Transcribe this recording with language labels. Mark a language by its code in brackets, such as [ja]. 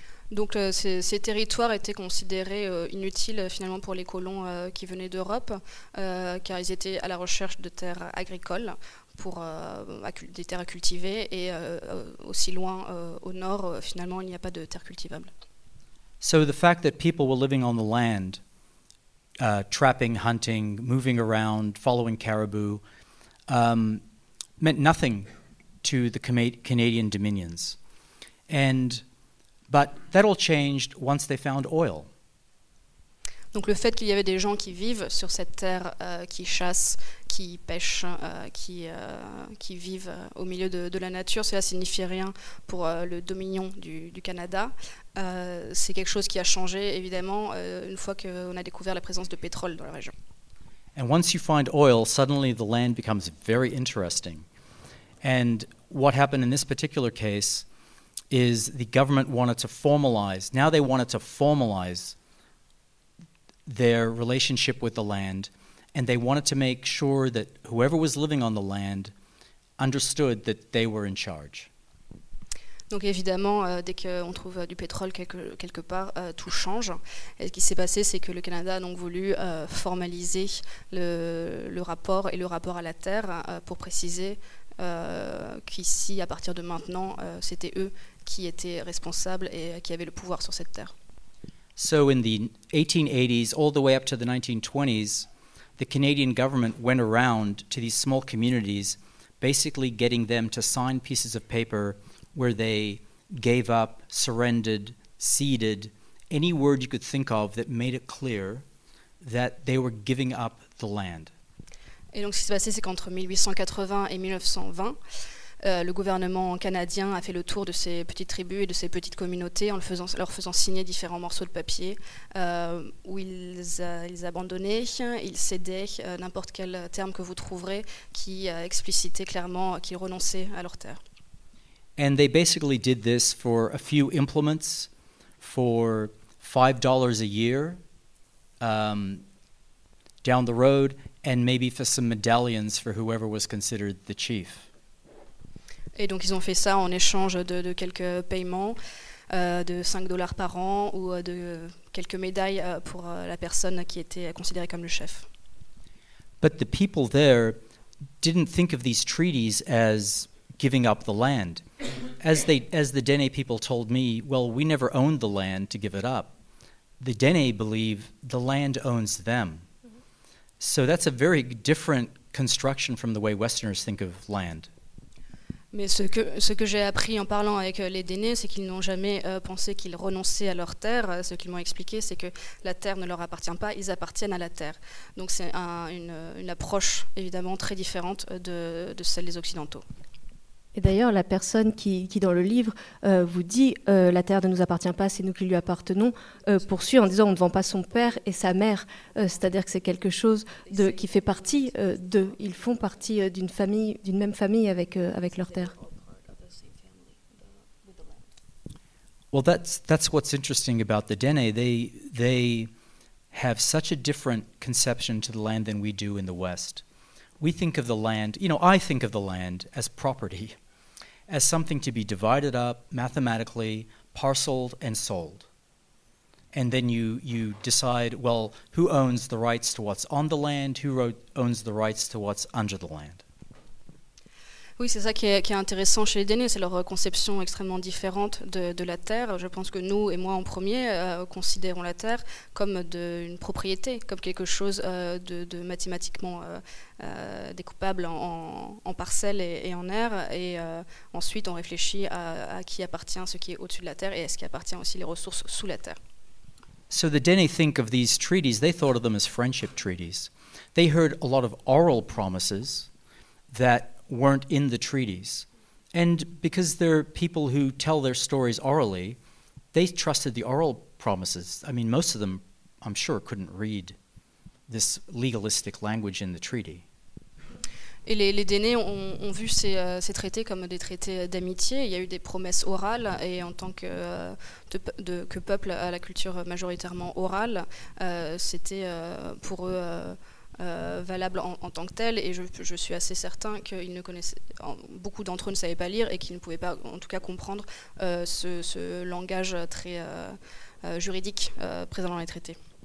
[fr] Donc ces territoires étaient considérés inutiles finalement pour les colons qui venaient d'Europe, car ils étaient à la recherche de terres agricoles, pour des terres à cultiver, et aussi loin au nord, finalement, il n'y a pas de terres cultivables. [en] So the fact that people were living on the land, trapping, hunting, moving around, following caribou, meant nothing to the Canadian dominions. But that all changed once they found oil. [fr] Donc le fait qu'il y avait des gens qui vivent sur cette terre, qui chassent, qui pêchent, qui vivent au milieu de la nature, cela signifie rien pour le dominion du Canada. C'est quelque chose qui a changé, évidemment, une fois qu'on a découvert la présence de pétrole dans la région. [en] And once you find oil, suddenly the land becomes very interesting. And what happened in this particular case is the government wanted to formalize. Now they wanted to formalize their relationship with the land, and they wanted to make sure that whoever was living on the land understood that they were in charge. [fr] Donc évidemment, dès qu'on trouve du pétrole quelque part, tout change. Et ce qui s'est passé, c'est que le Canada a donc voulu formaliser le rapport et le rapport à la terre pour préciser qu'ici, à partir de maintenant, c'était eux qui étaient responsables et qui avaient le pouvoir sur cette terre. [en] So in the 1880s, all the way up to the 1920s, the Canadian government went around to these small communities, basically getting them to sign pieces of paper where they gave up, surrendered, ceded, any word you could think of that made it clear that they were giving up the land. [fr] Et donc ce qui s'est passé, c'est qu'entre 1880 et 1920, le gouvernement canadien a fait le tour de ces petites tribus et de ces petites communautés en leur faisant signer différents morceaux de papier où ils abandonnaient, ils cédaient n'importe quel terme que vous trouverez qui explicitait clairement qu'ils renonçaient à leur terre. [en] And they basically did this for a few implements, for $5 a year down the road, and maybe for some medallions for whoever was considered the chief. [fr] Et donc ils ont fait ça en échange de quelques paiements, de $5 par an, ou de quelques médailles pour la personne qui était considérée comme le chef. [en] But the people there didn't think of these treaties as giving up the land. As the Dene people told me, well, we never owned the land to give it up. The Dene believe the land owns them. So that's a very different construction from the way Westerners think of land. [fr] Mais ce que j'ai appris en parlant avec les Dénés, c'est qu'ils n'ont jamais pensé qu'ils renonçaient à leur terre. Ce qu'ils m'ont expliqué, c'est que la terre ne leur appartient pas, ils appartiennent à la terre. Donc c'est une approche évidemment très différente de celle des Occidentaux. Et d'ailleurs, la personne qui dans le livre, vous dit « La terre ne nous appartient pas, c'est nous qui lui appartenons », poursuit en disant « On ne vend pas son père et sa mère », c'est-à-dire que c'est quelque chose qui fait partie d'eux. Ils font partie d'une famille, d'une même famille avec leur terre. [en] Well, that's what's interesting about the Dene. They have such a different conception to the land than we do in the West. We think of the land, you know, I think of the land as property, as something to be divided up mathematically, parceled and sold. And then you decide, well, who owns the rights to what's on the land, who owns the rights to what's under the land. [fr] Oui, c'est ça qui est intéressant chez les Dene, c'est leur conception extrêmement différente de la terre. Je pense que nous et moi en premier considérons la terre comme une propriété, comme quelque chose de mathématiquement découpable en parcelles et en aires. Et ensuite, on réfléchit à qui appartient ce qui est au-dessus de la terre et à ce qui appartient aussi les ressources sous la terre. [en] So the Dene think of these treaties, they thought of them as friendship treaties. They heard a lot of oral promises that weren't in the treaties. And because they're people who tell their stories orally, they trusted the oral promises. I mean, most of them, I'm sure, couldn't read this legalistic language in the treaty. [fr] Et les Dene ont vu ces traités comme des traités d'amitié. Il y a eu des promesses orales, et en tant que peuple à la culture majoritairement orale, c'était pour eux valable en tant que tel, et je suis assez certain qu'ils ne connaissaient, beaucoup d'entre eux ne savaient pas lire et qu'ils ne pouvaient pas en tout cas comprendre ce langage très juridique présent dans les traités.